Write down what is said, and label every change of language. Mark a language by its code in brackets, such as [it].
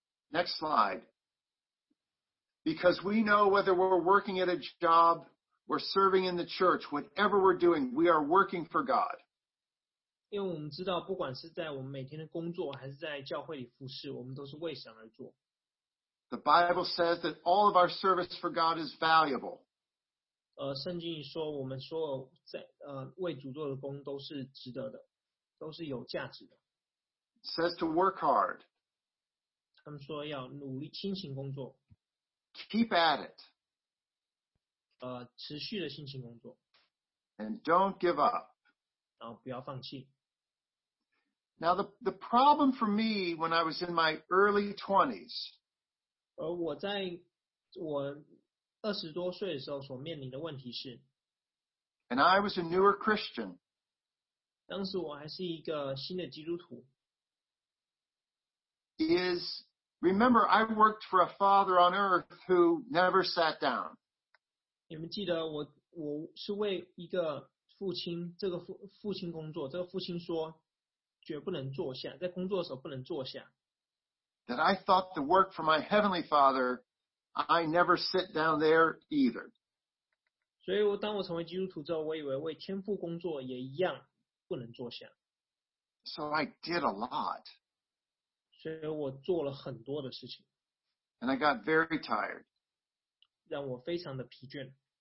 [en] Next slide. Because we know whether we're working at a job, we're serving in the church, whatever we're doing, we are working for God. [zh] 因为我们知道，不管是在我们每天的工作，还是在教会里服事，我们都是为神而做。 [en] The Bible says that all of our service for God is valuable. [zh] 圣经说，我们所有在为主做的工都是值得的，都是有价值的。 [en] It says to work hard. [zh] 他们说要努力辛勤工作。 [en] Keep at it. [zh] 持续的辛勤工作。 [en] And don't give up. [zh] 然后不要放弃。 [en] Now the problem for me when I was in my early 20s, [zh] 而我在我二十多岁的时候所面临的问题是 [en] ，And I was a newer Christian. [zh] 当时我还是一个新的基督徒。 [en] Is remember I worked for a father on earth who never sat down. [zh] 你们记得我是为一个。父亲这个 父亲工作，这个父亲说绝不能坐下，在工作的时候不能坐下。 [en] That I thought the work for my heavenly father, I never sit down there either. [zh] 所以我当我成为基督徒之后，我以为为天父工作也一样不能坐下。 [en] So I did a lot. [zh] 所以我做了很多的事情。 [en] And I got very tired. [zh] 让我非常的疲倦。